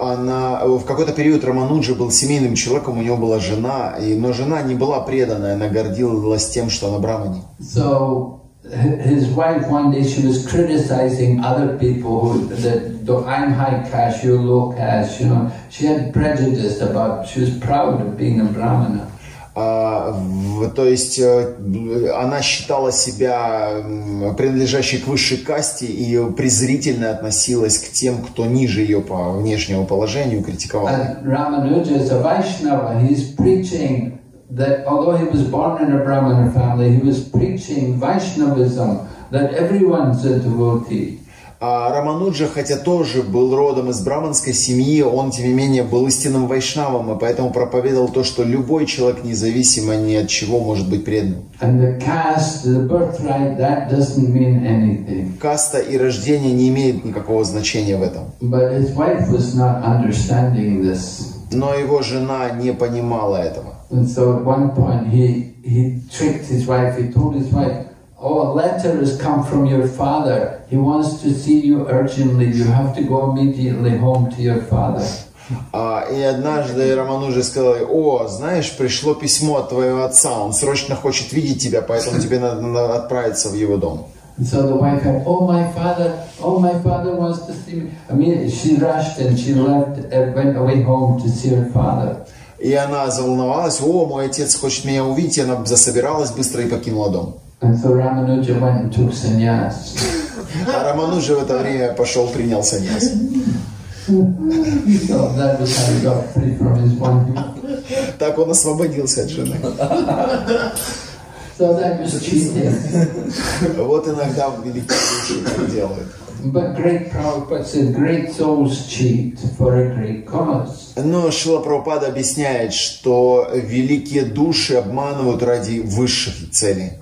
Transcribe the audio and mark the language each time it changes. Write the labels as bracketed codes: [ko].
[ru] В какой-то период Рамануджа был семейным человеком, у него была жена, но жена не была преданная, она гордилась тем, что она брахманин. [en] So his wife one day she was criticizing other people who that I'm high caste, you're low caste, you know. She had prejudice about. She was proud of being a brahmana. [ru] Она считала себя принадлежащей к высшей касте и презрительно относилась к тем, кто ниже ее по внешнему положению, критиковала. [en] Рамануджа is a Vaishnava. He's preaching that although he was born in a Brahmana family, he was preaching Vaishnavism, that everyone's a devotee. [ru] А Рамануджа, хотя тоже был родом из брахманской семьи, он, тем не менее, был истинным вайшнавом, и поэтому проповедовал то, что любой человек, независимо ни от чего, может быть преданным. [en] And the caste, the birthright, that doesn't mean anything. [ru] Каста и рождение не имеют никакого значения в этом. [en] But his wife was not understanding this. [ru] Но его жена не понимала этого. [en] And so at one point he tricked his wife, he told his wife, oh, a letter has come from your father. He wants to see you urgently. You have to go immediately home to your father. [ru] И однажды Рамануджа сказал, о, знаешь, пришло письмо от твоего отца. Он срочно хочет видеть тебя, поэтому тебе надо отправиться в его дом. [en] So the wife said, oh, my father wants to see me. I mean, she rushed and she left and went away home to see her father. [ru] И она заволновалась, о, мой отец хочет меня увидеть. И она засобиралась быстро и покинула дом. [en] And so Рамануджа went and took sannyas. [ru] А Рамануджа в это время пошел принял sannyas. [en] So that was how he got free from his wife. [ru] Так он освободился от жены. [en] So that was cheating. [ru] Вот иногда великие люди это делают. [en] But great Prabhupada said great souls cheat for a great cause. [ru] Но Шрила Прабхупада объясняет, что великие души обманывают ради высших целей.